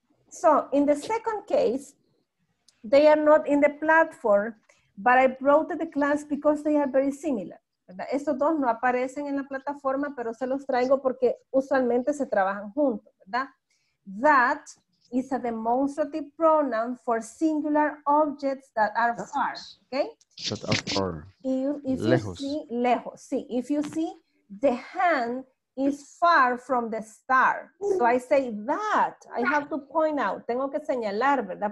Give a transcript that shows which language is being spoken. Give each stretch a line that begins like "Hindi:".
English: So, in the second case, they are not in the platform, but I brought to the class because they are very similar.
Spanish: ¿Verdad? Estos dos no aparecen en la plataforma, pero se los traigo porque usualmente se trabajan juntos, ¿verdad?
English: That is a demonstrative pronoun for singular objects that are far, okay? That are far, if lejos. You see, lejos, sí. If you see, the hand is far from the star. So I say that, I have to point out,
Spanish: tengo que señalar, ¿verdad?